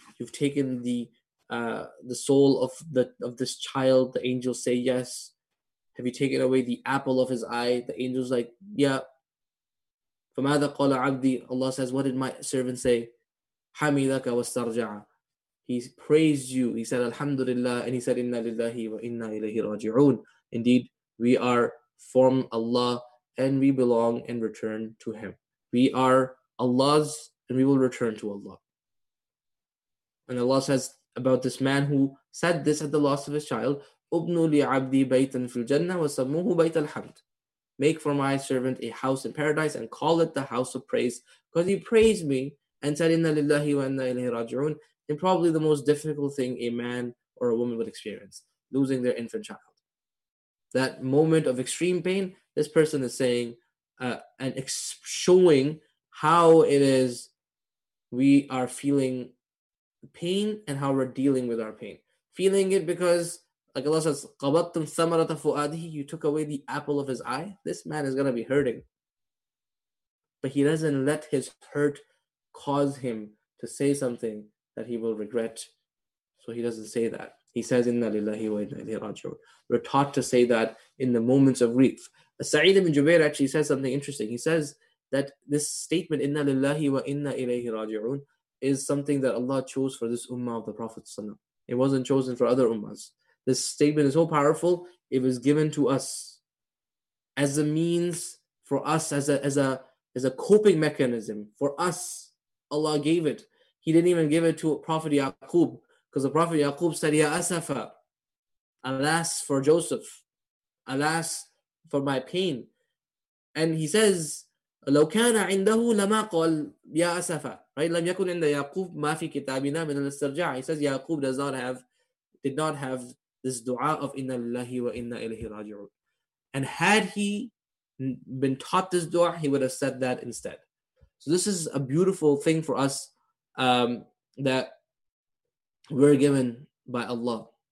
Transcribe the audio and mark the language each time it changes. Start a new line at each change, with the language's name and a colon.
English: You've taken the soul of this child. The angels say, yes. Have you taken away the apple of his eye? The angel's like, yeah.
Arabic: فَمَاذَا قَالَ عَبْدِي.
English: Allah says, what did my servant say?
Arabic: حَمِدَكَ وَاسْتَرْجَعَ.
English: He praised you. He said, Alhamdulillah. And he said,
Arabic: إِنَّا لِلَّهِ وَإِنَّا إِلَيْهِ رَاجِعُونَ.
English: Indeed, we are from Allah and we belong and return to Him. We are Allah's and we will return to Allah. And Allah says about this man who said this at the loss of his child,
Arabic: أُبْنُوا لِعَبْدِي بَيْتًا فِي الْجَنَّةِ وَسَمُّوهُ بَيْتَ الْحَمْدِ.
English: Make for my servant a house in paradise and call it the house of praise, because he praised me and said,
Arabic: إِنَّا لِلَّهِ وَإِنَّا إِلَيْهِ رَاجِعُونَ.
English: And probably the most difficult thing a man or a woman would experience, losing their infant child. That moment of extreme pain, this person is saying showing how it is we are feeling pain and how we're dealing with our pain. Feeling it because, like Allah says,
Arabic: قَبَطْتُمْ ثَمَرَةَ فُؤَادِهِ.
English: You took away the apple of his eye. This man is going to be hurting. But he doesn't let his hurt cause him to say something that he will regret. So he doesn't say that. He says,
Arabic: إِنَّا لِلَّهِ وَإِنَّا إِلَيْهِ رَاجِعُونَ.
English: We're taught to say that in the moments of grief. Sa'id ibn Jubair actually says something interesting. He says that this statement,
Arabic: إِنَّا لِلَّهِ وَإِنَّا إِلَيْهِ رَاجِعُونَ,
English: is something that Allah chose for this ummah of the Prophet ﷺ. It wasn't chosen for other ummahs. This statement is so powerful, it was given to us as a means for us, as a coping mechanism for us. Allah gave it. He didn't even give it to Prophet Yaqub, because the Prophet Yaqub said, Ya Asafa, alas for Joseph, alas for my pain. And he says,
Arabic: لو كان عنده لما قال يا أسفا,
English: right?
Arabic: لم يكن عند يعقوب ما في كتابنا من الاسترجاع.
English: He says Yaqub did not have this dua of
Arabic: إِنَّ لِلَّهِ وَإِنَّا إِلَيْهِ رَاجِعُونَ.
English: And had he been taught this dua, he would have said that instead. So this is a beautiful thing for us that we're given by Allah.